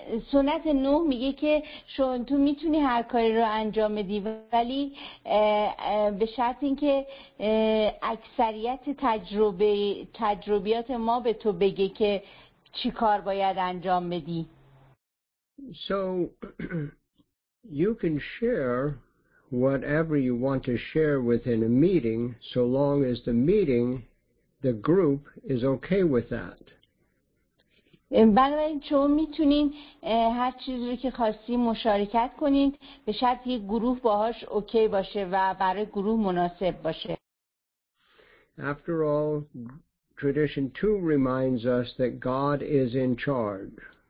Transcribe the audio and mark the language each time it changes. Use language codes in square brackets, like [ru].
[fa] سنت نوح میگه که تو میتونی هر کاری رو انجام بدی ولی به شرط اینکه اکثریت تجربیات ما به تو بگه که چی کار باید انجام بدی. [en] So you can share whatever you want to share within a meeting so long as the meeting, the group is okay with that. [fa] بنابراین شما میتونین هر چیزی رو که خواستی مشارکت کنین به شرط یک گروه باهاش اوکی باشه و برای گروه مناسب باشه. [en] After all, tradition 2 reminds us that God is in charge.